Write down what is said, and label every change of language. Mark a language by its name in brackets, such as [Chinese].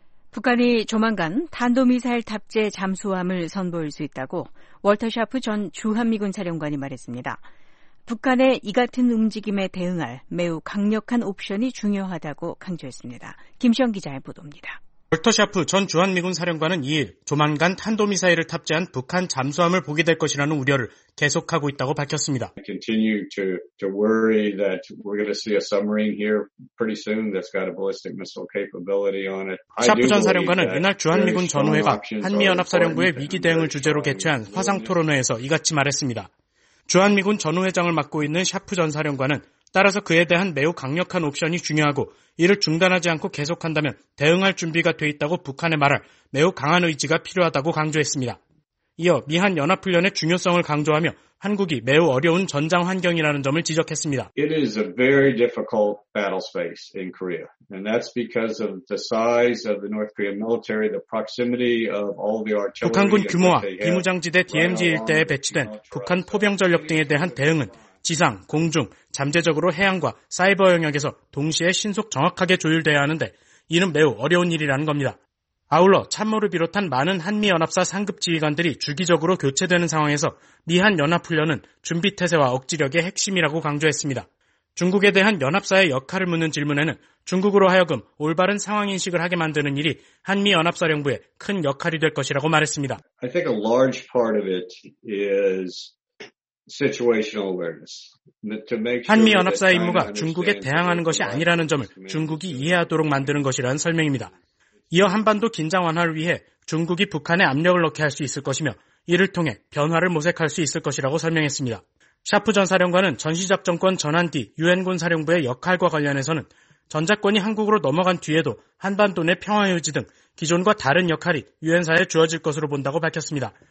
[Korean] 북한이 조만간 탄도미사일 탑재 잠수함을 선보일 수 있다고 월터 샤프 전 주한미군 사령관이 말했습니다. 북한의 이 같은 움직임에 대응할 매우 강력한 옵션이 중요하다고 강조했습니다. 김시영 기자의 보도입니다. 월터 샤프 전 주한미군 사령관은 2일 조만간 탄도미사일을 탑재한 북한 잠수함을 보게 될 것이라는 우려를 계속하고 있다고 밝혔습니다. [English] I continue to worry that we're going to see a submarine here pretty soon that's got a ballistic missile capability on it. [Korean] 샤프 전 사령관은 이날 주한미군 전우회가 한미연합사령부의 위기 대응을 주제로 개최한 화상 토론회에서 이같이 말했습니다. 주한미군 전우회장을 맡고 있는 샤프 전 사령관은 따라서 그에 대한 매우 강력한 옵션이 중요하고 이를 중단하지 않고 계속한다면 대응할 준비가 돼 있다고 북한에 말할 매우 강한 의지가 필요하다고 강조했습니다. 이어 미한 연합훈련의 중요성을 강조하며 한국이 매우 어려운 전장 환경이라는 점을 지적했습니다. [English] It is a very difficult battle space in Korea. And that's because of the size of the North Korean military, the proximity of all the artillery. [Korean] 북한군 규모와 비무장지대 DMZ 일대에 배치된 북한 포병 전력 등에 대한 대응은 지상, 공중, 잠재적으로 해양과 사이버 영역에서 동시에 신속 정확하게 조율돼야 하는데 이는 매우 어려운 일이라는 겁니다. 아울러 참모를 비롯한 많은 한미연합사 상급 지휘관들이 주기적으로 교체되는 상황에서 미한연합훈련은 준비태세와 억지력의 핵심이라고 강조했습니다. 중국에 대한 연합사의 역할을 묻는 질문에는 중국으로 하여금 올바른 상황인식을 하게 만드는 일이 한미연합사령부의 큰 역할이 될 것이라고 말했습니다. [English] I think a large part of it is situational awareness. [Korean] 한미연합사의 임무가 중국에 대항하는 것이 아니라는 점을 중국이 이해하도록 만드는 것이라는 설명입니다. 이어 한반도 긴장 완화를 위해 중국이 북한에 압력을 넣게 할 수 있을 것이며 이를 통해 변화를 모색할 수 있을 것이라고 설명했습니다. 샤프 전 사령관은 전시작전권 전환 뒤 유엔군 사령부의 역할과 관련해서는 전작권이 한국으로 넘어간 뒤에도 한반도 내 평화유지 등 기존과 다른 역할이 유엔사에 주어질 것으로 본다고 밝혔습니다.